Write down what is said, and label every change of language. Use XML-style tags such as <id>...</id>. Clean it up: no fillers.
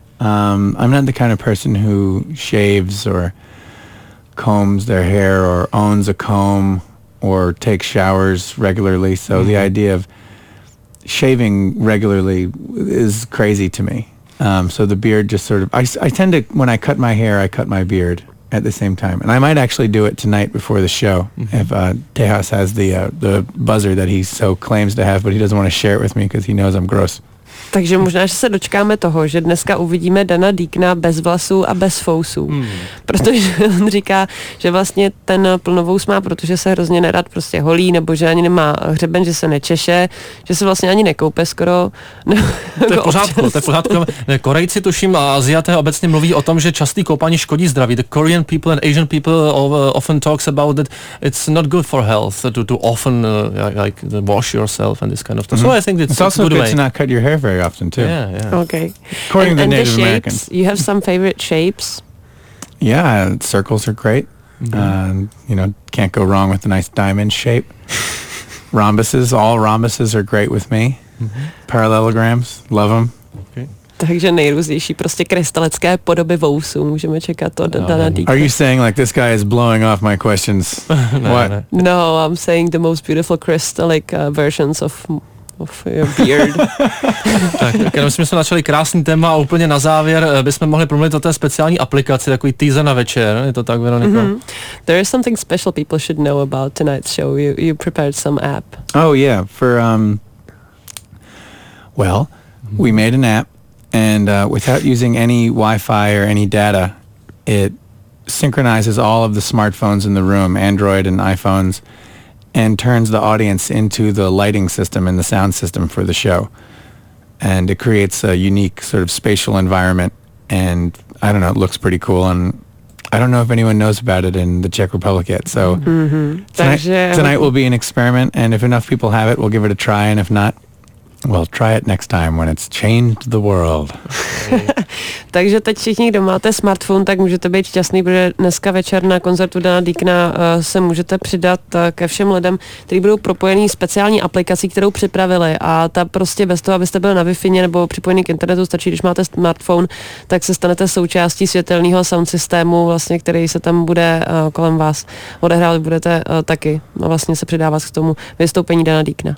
<en>I'm not the kind of person who shaves or combs their hair or owns a comb or takes showers regularly, so mm-hmm. the idea of shaving regularly is crazy to me. So the beard just sort of, I tend to, when I cut my hair, I cut my beard at the same time. And I might actually do it tonight before the show, mm-hmm. if Tejas has the buzzer that he so claims to have, but he doesn't want to share it with me because he knows I'm gross.</en> <cs>Takže možná, že se dočkáme toho, že dneska uvidíme Dana Deakna bez vlasů a bez fousů. Mm. Protože on říká, že vlastně ten plnovous má, protože se hrozně nerad prostě holí, nebo že ani nemá hřeben, že se nečeše, že se vlastně ani nekoupe skoro. To je pořádku. Korejci tuším a Aziaté obecně mluví o tom, že častý koupání škodí zdraví.</cs> <en>The Korean people and Asian people often talks about that it's not good for health to often like wash yourself and this kind of stuff. Mm-hmm. So I think it's also good way to not cut your hair very often too. Yeah, yeah. Okay. According to Native Americans. You have some favorite shapes? Yeah, circles are great. Mm-hmm. You know, can't go wrong with a nice diamond shape. Rhombuses, all rhombuses are great with me. Mm-hmm. Parallelograms, love them.</en> <cs>Takže nejrůznější prostě krystalické podoby vousů můžeme čekat od Dana Deakna.</cs> <en>Are you saying like this guy is blowing off my questions? No, I'm saying the most beautiful crystallic versions of your beard.</en> <cs>Tak, my jsme začali krásný téma a úplně na závěr bychom mohli promluvit o té speciální aplikaci, takový teaser na večer, je to tak, Veroniko? Mm-hmm.</cs> <en>There is something special people should know about tonight's show. You prepared some app. Oh yeah, for, well, we made an app, and without using any Wi-Fi or any data, it synchronizes all of the smartphones in the room, Android and iPhones, and turns the audience into the lighting system and the sound system for the show. And it creates a unique sort of spatial environment, and I don't know, it looks pretty cool, and I don't know if anyone knows about it in the Czech Republic yet, so tonight will be an experiment, and if enough people have it, we'll give it a try, and if not, well, try it next time when it's changed the world.</en> <cs>Takže teď všichni, kdo máte smartphone, tak můžete být šťastný, protože dneska večer na koncertu Dana Deakna se můžete přidat ke všem lidem, kteří budou propojený speciální aplikací, kterou připravili. A ta prostě bez toho, abyste byli na Wi-Fi nebo připojený k internetu, stačí, když máte smartphone, tak se stanete součástí světelného sound systému, vlastně, který se tam bude kolem vás odehrávat, budete taky vlastně se přidávat k tomu vystoupení Dana Deakna.</cs>